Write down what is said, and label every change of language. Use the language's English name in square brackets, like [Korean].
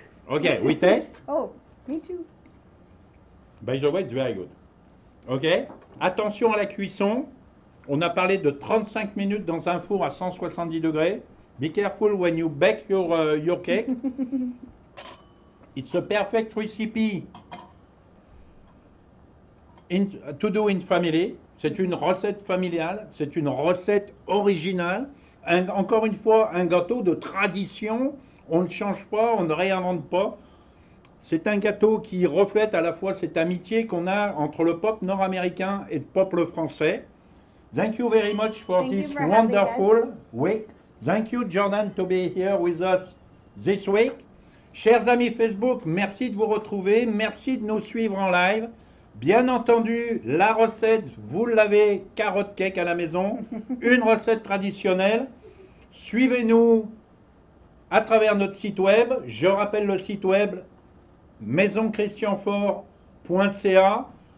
[English] Okay, we taste. Oh, me too. By the way, it's very good. Okay, [French] attention à la cuisson. On a parlé de 35 minutes dans un four à 170 degrés. [English] Be careful when you bake your cake. It's a perfect recipe to do in family. [French] C'est une recette familiale, c'est une recette originale. Encore une fois, un gâteau de tradition. On ne change pas, on ne réinvente pas. C'est un gâteau qui reflète à la fois cette amitié qu'on a entre le peuple nord-américain et le peuple français. [English] Thank you very much for Thank this for wonderful week. Thank you, Jordan, to be here with us this week. [French] Chers amis Facebook, merci de vous retrouver. Merci de nous suivre en live. Bien entendu, la recette, vous l'avez, carotte cake à la maison. Une recette traditionnelle. Suivez-nous à travers notre site web. Je rappelle le site web maisonchristianfort.ca.